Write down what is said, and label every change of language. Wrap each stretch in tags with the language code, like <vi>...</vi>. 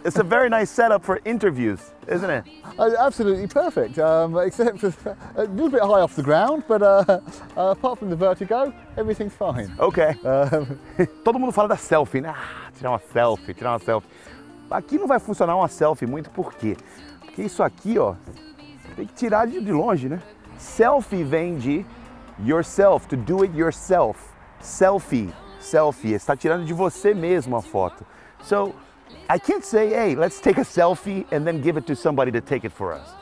<en>It's a very nice setup for interviews, isn't it? Absolutely perfect, except for a little bit high off the ground, but apart from the vertigo, everything's fine.</en> <pt>Okay. Todo mundo fala da selfie, né? Ah, tirar uma selfie. Aqui não vai funcionar uma selfie muito, por quê? Porque isso aqui, ó, tem que tirar de longe, né?</pt> <en>Selfie</en> <pt>vem de</pt> <en>yourself, to do it yourself.</en> <pt>Selfie, está tirando de você mesmo a foto.</pt> <en>So, I can't say, hey, let's take a selfie and then give it to somebody to take it for us.</en>